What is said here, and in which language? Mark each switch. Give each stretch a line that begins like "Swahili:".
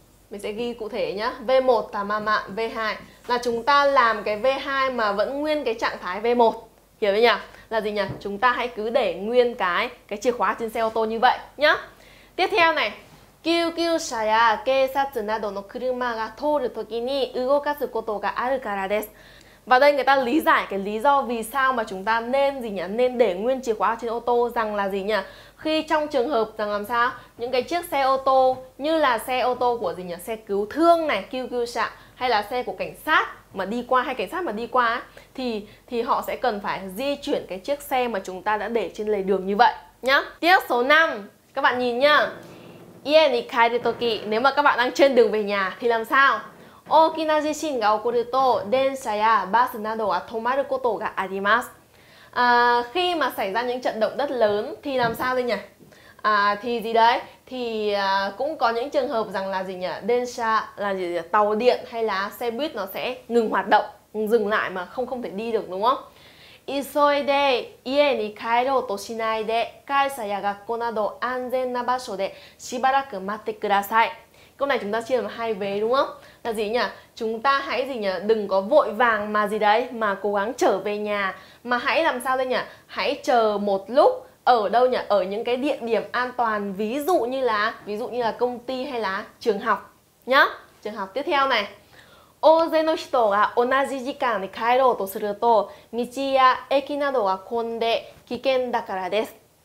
Vietnamese: Mình sẽ ghi cụ thể nhá. V1 ta mama, V2 là chúng ta làm cái V2 mà vẫn nguyên cái trạng thái V1. Hiểu chưa nhỉ? Là gì nhỉ? Chúng ta hãy cứ để nguyên cái chìa khóa trên xe ô tô như vậy nhá. Tiếp theo này. Kyu
Japanese: 救車や警察などの車が通るときに動かすことがあるからです。
Vietnamese: Và đây người ta lý giải cái lý do vì sao mà chúng ta nên gì nhỉ? Nên để nguyên chìa khóa trên ô tô rằng là gì nhỉ? Khi trong trường hợp rằng làm sao? Những cái chiếc xe ô tô như là xe ô tô của gì nhỉ? Xe cứu thương này, kêu kêu xạ hay là xe của cảnh sát mà đi qua hay cảnh sát mà đi qua ấy, thì họ sẽ cần phải di chuyển cái chiếc xe mà chúng ta đã để trên lề đường như vậy nhá. Tiếp số 5, các bạn nhìn nhá.
Japanese: 家に帰る時,
Vietnamese: nếu mà các bạn đang trên đường về nhà thì làm sao?
Japanese: 大きな地震が起こると電車やバスなどは止まることがあります。
Vietnamese: Khi mà xảy ra những trận động đất lớn thì làm sao đây nhỉ? Thì gì đấy? Thì cũng có những trường hợp rằng là gì nhỉ? Đen xa là gì nhỉ? Tàu điện hay là xe buýt nó sẽ ngừng hoạt động, dừng lại mà không thể đi được đúng không?
Japanese: 急いで家に帰ろうとしないで、会社や学校など安全な場所でしばらく待ってください。
Vietnamese: Câu này chúng ta chia làm hai vế đúng không? Là gì nhỉ? Chúng ta hãy gì nhỉ? Đừng có vội vàng mà gì đấy mà cố gắng trở về nhà, mà hãy làm sao đây nhỉ? Hãy chờ một lúc ở đâu nhỉ? Ở những cái địa điểm an toàn, ví dụ như là công ty hay là trường học nhá. Trường học tiếp theo này.
Japanese: 大勢の人が同じ時間に帰ろうとすると道や駅などが混んで危険だからです。